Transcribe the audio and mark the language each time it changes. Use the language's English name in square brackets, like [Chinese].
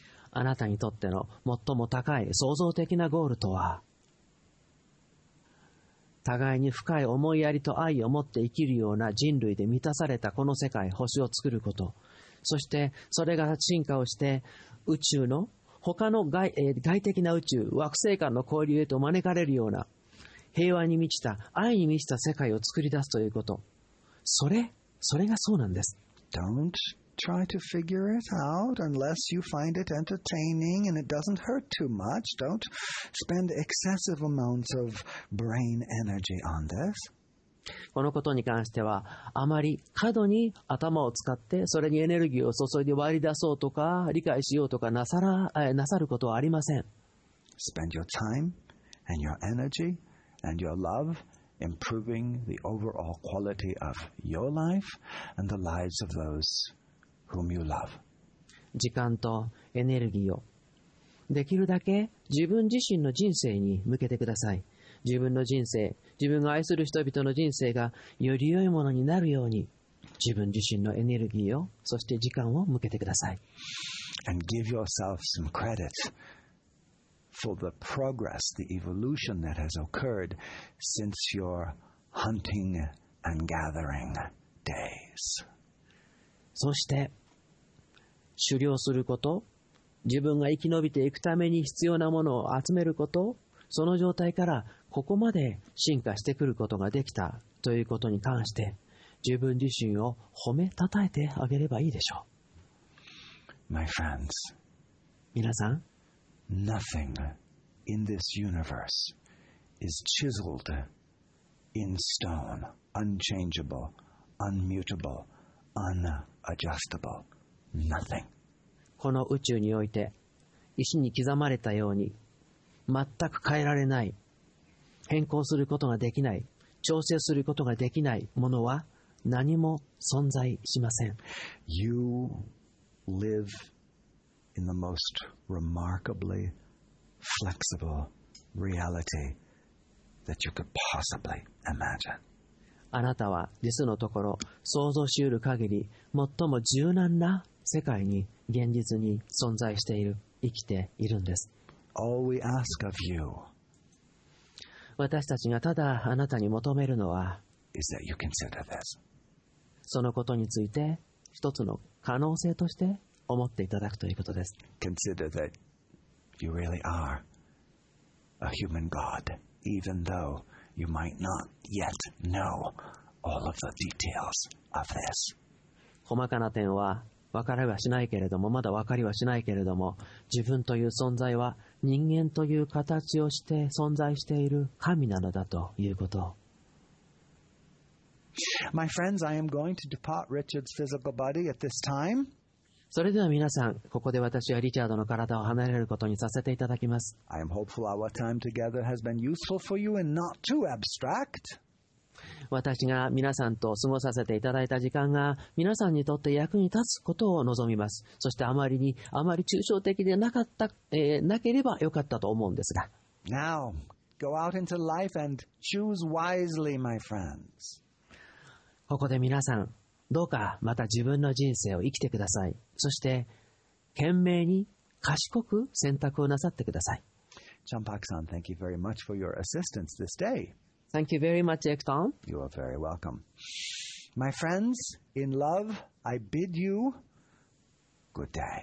[Japanese] あなたにとっての最も高い創造的なゴールとは、互いに深い思いやりと愛を持って生きるような人類で満たされたこの世界、星を作ること。そしてそれが進化をして宇宙の他の 外的な宇宙、惑星間の交流へと招かれるような平和に満ちた、愛に満ちた世界を作り出すということ、それがそうなんです。 [English] Don't try to figure it out unless you find it entertaining and it doesn't hurt too much. Don't spend excessive amounts of brain energy on this. [Japanese] このことに関してはあまり過度に頭を使ってそれにエネルギーを注いで割り出そうとか理解しようとかなさることはありません。 [English] Spend your time and your energy and your love improving the overall quality of your life and the lives of those whom you love. [Japanese] 時間とエネルギーをできるだけ自分自身の人生に向けてください。自分の人生、自分が愛する人々の人生がより良いものになるように、自分自身のエネルギーを、そして時間を向けてください。 [English] And give yourself some credit for the progress, the evolution that has occurred since your hunting and gathering days. [Japanese] そして、狩猟すること、自分が生き延びていくために必要なものを集めること、その状態からここまで進化してくることができたということに関して、自分自身を褒めたたえてあげればいいでしょう。 [English] My friends, [Japanese] 皆さん、 [English] Nothing in this universe is chiseled in stone, unchangeable, unmutable, unadjustable. Nothing. [Japanese] この宇宙において、石に刻まれたように、全く変えられない、変更することができない、調整することができないものは何も存在しません。 [English] You live in the most remarkably flexible reality that you could possibly imagine. [Japanese] あなたは実のところ想像しうる限り最も柔軟な世界に現実に存在している生きているんです。 [English] All we ask of you [Japanese] 私たちがただあなたに求めるのは [English] is that you consider this. [Japanese] そのことについて一つの可能性として思っていただくということです。 [English] Consider that you really are a human God, even though you might not yet know all of the details of this. [Japanese] 細かな点は分かりはしないけれども、まだ分かりはしないけれども、自分という存在は人間という形をして存在している神なのだということ。 [English] My friends, I am going to depart Richard's physical body at this time. [Japanese] それでは皆さん、ここで私はリチャードの体を離れることにさせていただきます。 [English] I am hopeful our time together has been useful for you and not too abstract. [Japanese] 私が皆さんと過ごさせていただいた時間が皆さんにとって役に立つことを望みます。そしてあまり抽象的でなかった、なければよかったと思うんですが。 [English] Now, go out into life and choose wisely, my friends. [Japanese] ここで皆さんどうかまた自分の人生を生きてください。そして賢明に賢く選択をなさってください。 [English] チャンパクさん、 Thank you very much for your assistance this day Thank you very much, Ekton. You are very welcome. My friends, in love, I bid you good day.